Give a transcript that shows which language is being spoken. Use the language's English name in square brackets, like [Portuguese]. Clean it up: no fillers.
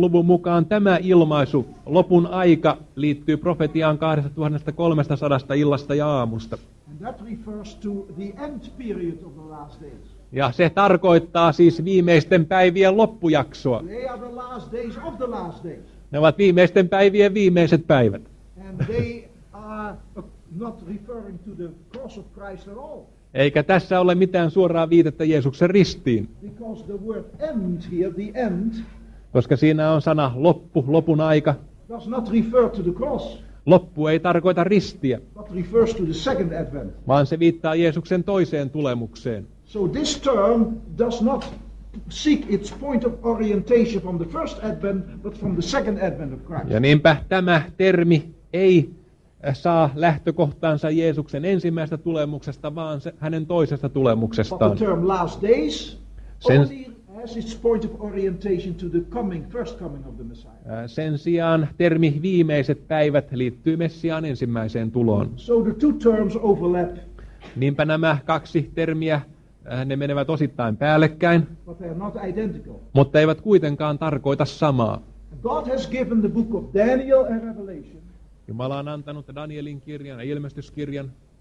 [Finnish] luvun mukaan tämä ilmaisu, lopun aika, liittyy profetiaan 2300 illasta ja aamusta. [English] And that refers to the end period of the last days. [Finnish] Ja se tarkoittaa siis viimeisten päivien loppujaksoa. [English] They are the last days of the last days. [Finnish] Ne ovat viimeisten päivien viimeiset päivät. [English] And they are not referring to the cross of Christ at all. [Finnish] Eikä tässä ole mitään suoraa viitettä Jeesuksen ristiin. [English] Because the word end here, the end, [Finnish] koska siinä on sana loppu, lopun aika. [English] Does not refer to the cross. [Finnish] Loppu ei tarkoita ristiä. [English] But refers to the second advent. [Finnish] Vaan se viittaa Jeesuksen toiseen tulemukseen. [English] So this term does not seek its point of orientation from the first advent, but from the second advent of Christ. [Finnish] Ja niinpä tämä termi ei saa lähtökohtaansa Jeesuksen ensimmäisestä tulemuksesta, vaan hänen toisesta tulemuksestaan. [English] But the term last days only has its point of orientation to the coming, first coming of the Messiah. [Finnish] Sen sijaan termi viimeiset päivät liittyy Messiaan ensimmäiseen tuloon. [English] So the two terms overlap. [Finnish] Niinpä nämä kaksi termiä, ne menevät osittain päällekkäin, [English] but they are not identical. [Finnish] Mutta eivät kuitenkaan tarkoita samaa. [English] God has given the book of Daniel and Revelation. [Finnish] Jumala on antanut Danielin kirjan ja ilmestyskirjan